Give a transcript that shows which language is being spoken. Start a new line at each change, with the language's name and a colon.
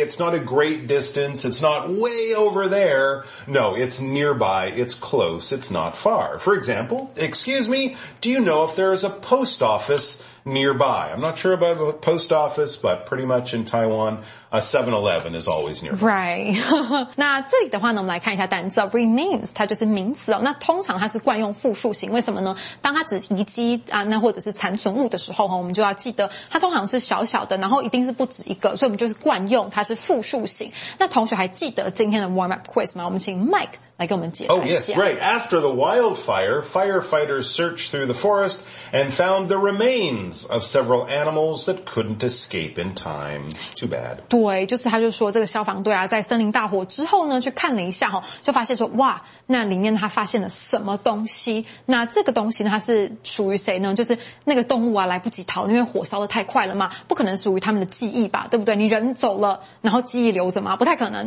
English: It's not a great distance. It's not way over there. No, it's nearby. It's close. It's not far. For example, excuse me, do you know if there is a post office nearby? I'm not sure about a post office, but pretty much in Taiwan, a 7-Eleven is always nearby.
Chinese: Right. 那这里的话呢，我们来看一下单词 remains， 它就是名词哦。那通常它是惯用复数型，为什么呢？当它指遗迹啊，那或者是残存物的时候哈，我们就要记得它通常是小小的，然后一定是不止一个，所以我们就是惯用它是复数型。那同学还记得今天的
English: warm up quiz
Chinese: 吗？我们请 Mike。
English: Oh yes, right. After the wildfire, firefighters searched through the forest and found the remains of several animals that couldn't escape in time. Too bad.
Chinese: 对，就是他就说这个消防队啊，在森林大火之后呢，去看了一下哈，就发现说哇，那里面他发现了什么东西？那这个东西呢，它是属于谁呢？就是那个动物啊，来不及逃，因为火烧得太快了嘛，不可能属于他们的记忆吧，对不对？你人走了，然后记忆留着吗？不太可能。